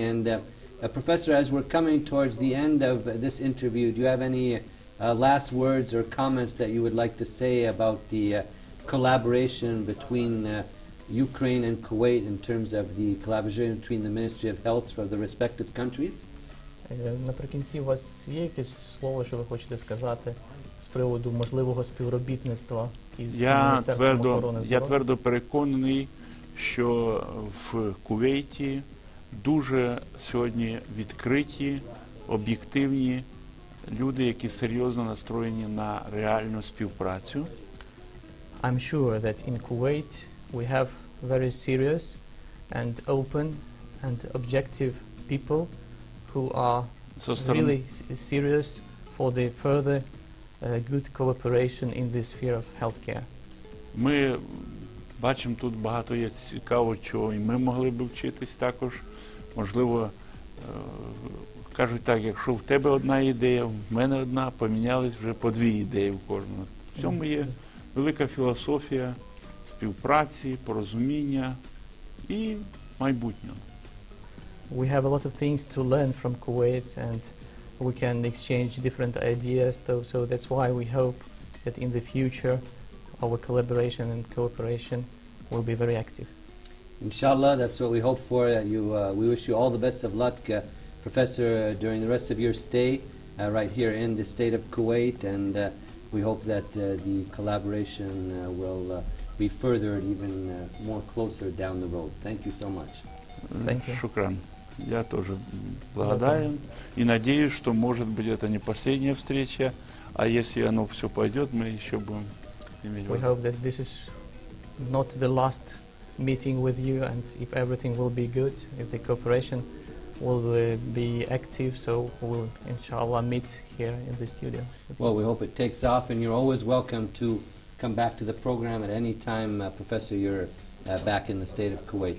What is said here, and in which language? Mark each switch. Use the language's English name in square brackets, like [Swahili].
[English] And Professor, as we're coming towards the end of this interview, do you have any last words or comments that you would like to say about the collaboration between Ukraine and Kuwait in terms of the collaboration between the Ministry of Health for the respective countries? [Ukrainian] Наприкінці, у вас є якесь слово, що ви хочете сказати з приводу можливого співробітництва із Міністерством охорони здоров'я? Я твердо переконаний, що в Кувейті дуже сьогодні відкриті, об'єктивні люди, які серйозно настроєні на реальну співпрацю. [English] I'm sure that in Kuwait we have very serious and open and objective people who are really serious for the further good cooperation in this sphere of healthcare. [Ukrainian] Ми бачимо тут багато є цікаво, чого і ми могли б вчитись також. Можливо, кажуть так, якщо в тебе одна ідея, в мене одна, помінялись вже по дві ідеї в кожному. В цьому є велика філософія співпраці, порозуміння і майбутнього. [English] We have a lot of things to learn from Kuwait and we can exchange different ideas, though, so that's why we hope that in the future our collaboration and cooperation will be very active. Inshallah, that's what we hope for. We wish you all the best of luck, Professor, during the rest of your stay right here in the state of Kuwait, and we hope that the collaboration will be furthered even more closer down the road. Thank you so much. Thank you. [Arabic] Шукран. [Russian] Я тоже благодарен [Ukrainian] і надіюсь, що, може бути, це не остання зустріч, а якщо воно все піде, ми ще будемо. [English] We hope that this is not the last meeting with you, and if everything will be good, if the cooperation will be active, so we'll inshallah meet here in the studio. Well, we hope it takes off, and you're always welcome to come back to the program at any time, Professor, you're back in the state of Kuwait.